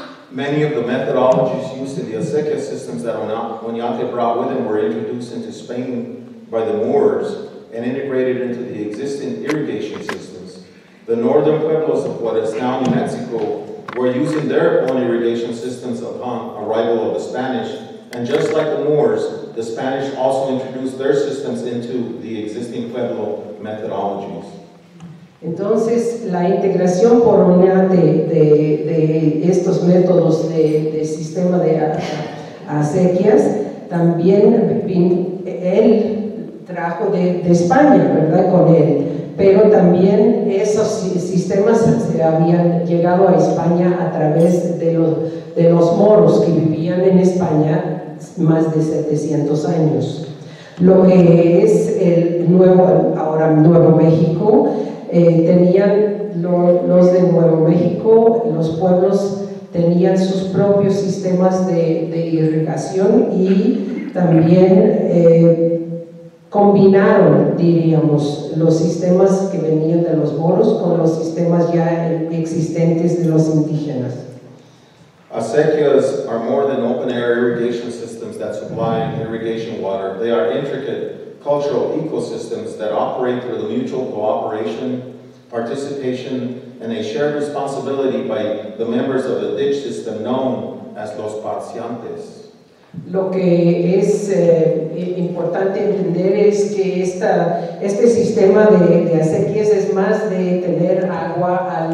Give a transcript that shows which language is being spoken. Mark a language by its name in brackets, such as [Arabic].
[English] Many of the methodologies used in the Azteca systems that Oñate brought with him were introduced into Spain by the Moors and integrated into the existing irrigation systems. The northern pueblos of what is now New Mexico were using their own irrigation systems upon arrival of the Spanish. And just like the Moors, the Spanish also introduced their systems into the existing pueblo methodologies. [Spanish] Entonces, la integración por Oñate de estos métodos de sistema de acequias, también él trajo de España, ¿verdad?, con él. Pero también esos sistemas se habían llegado a España a través de los moros que vivían en España más de 700 años. Lo que es el nuevo, ahora Nuevo México, tenían los de Nuevo México, los pueblos tenían sus propios sistemas de irrigación y también combinaron, diríamos, los sistemas que venían de los moros con los sistemas ya existentes de los indígenas. [English] Acequias are more than open air irrigation systems that supply irrigation water. They are intricate cultural ecosystems that operate through the mutual cooperation, participation, and a shared responsibility by the members of the ditch system known as los parciantes. [Spanish] Lo que es importante entender es que este sistema de acequias es más de tener agua